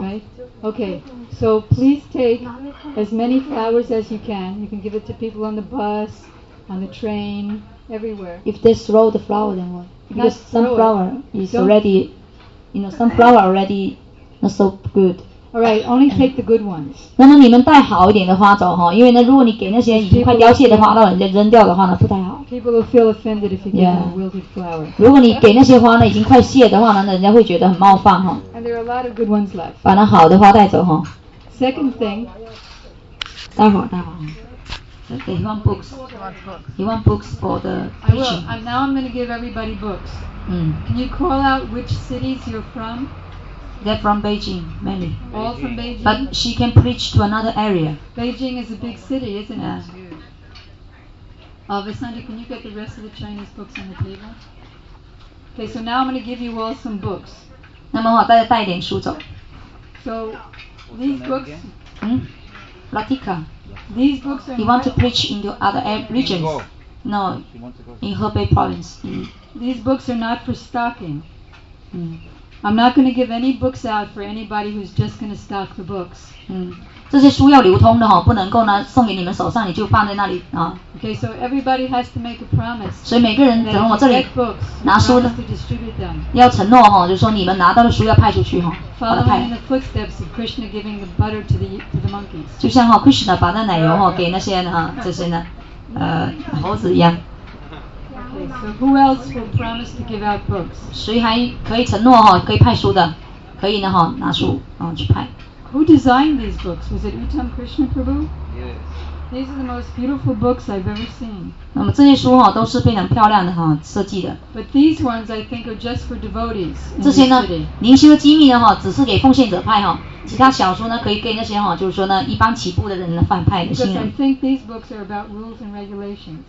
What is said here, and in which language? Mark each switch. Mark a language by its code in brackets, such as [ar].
[en] ？Right. Okay. So please take as many flowers as you can. You can give it to people on the bus, on the train, everywhere. If they throw the flower, then what? Because sunflower is already, you know, sunflower already not so good. All right. Only take the good ones. [zh] 那么你们带好一点的花走哈，因为呢，如果你给那些已经快凋谢的花，让人家扔掉的话呢，不太好。 [en] People will feel offended if you give them a wilted flower. [zh] 如果你给那些花呢已经快谢的话呢，人家会觉得很冒犯哈。 [en] And there are a lot of good ones left. [zh] 把那好的花带走哈。 [en] Second thing. [zh] 待会儿。 [en] He wants books for the teaching. I will. Now I'm going to give everybody books. Can you call out which cities you're from? They're from Beijing, mainly. All from Beijing? But she can preach to another area. Beijing is a big city, isn't it? Yeah. Vasanta, can you get the rest of the Chinese books on the table? Okay, so now I'm going to give you all some books. [zh] 那么好，大家带一点书走。 [en] So, these books... Latika. These books are he wants to preach in the other regions. No, in Hebei province. These books are not for stocking. I'm not going to give any books out for anybody who's just going to stock the books. [zh] 这些书要流通的不能够呢送给你们手上你就放在那里啊。 [en] Okay, so everybody has to make a promise. [zh] 所以每个人从我这里拿书呢，要承诺就说你们拿到的书要派出去 [en] Following in the footsteps of Krishna giving the butter to the monkeys. [zh] 就像Krishna 把那奶油给那些这些呢猴子一样。 [en] Okay, so who else will promise to give out books? [zh] 谁还可以承诺可以派书的，可以呢拿书去派。 [en] Who designed these books? Was it Uttam Krishna Prabhu? Yes. These are the most beautiful books I've ever seen. [zh] 那么这些书都是非常漂亮的设计的。 [en] But these ones I think are just for devotees. [zh] 这些呢，灵修机密呢只是给奉献者派其他小书呢可以给那些就是说呢一般起步的人的反派的新人。 [en] Because I think these books are about rules and regulations.